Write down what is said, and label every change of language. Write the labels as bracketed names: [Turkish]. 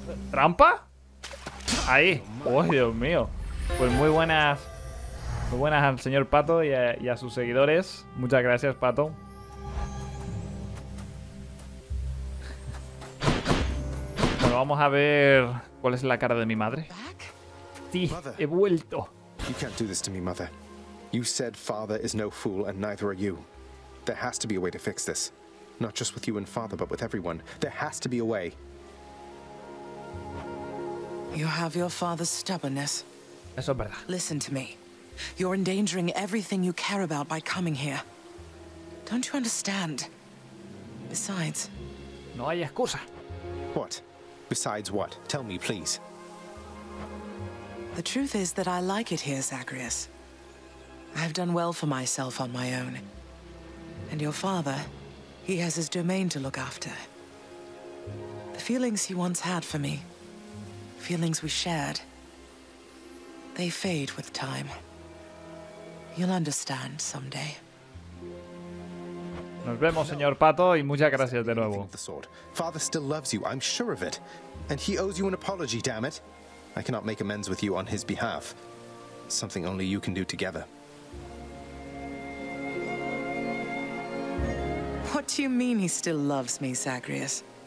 [Spanish] ¿Trampa? Ahí. ¡Oh, Dios mío! Pues muy buenas. Muy buenas al señor Pato y a sus seguidores. Muchas gracias, Pato. Bueno, vamos a ver cuál es la cara de mi madre. Sí, he vuelto. [English] You can't do this to me, mother. You said father is no fool and neither are you. There has to be a way to fix this. Not just with you and father, but with everyone. There has to be a way. You have your father's stubbornness. [Spanish] Eso es verdad. [English] Listen to me. You're endangering everything you care about by coming here. Don't you understand? Besides... [Spanish] No hay excusa. [English] What? Besides what? Tell me, please. The truth is that I like it here, Zacharias. I have done well for myself on my own. And your father... He has his domain to look after. The feelings he once had for me, feelings we shared, they fade with time. You'll understand someday. [Spanish] Nos vemos, señor Pato, y muchas gracias de nuevo. [English] Father still loves you, I'm sure of it. And he owes you an apology, damn it. I cannot make amends with you on his behalf. Something only you can do together. What do you mean he still loves me, Zacharias?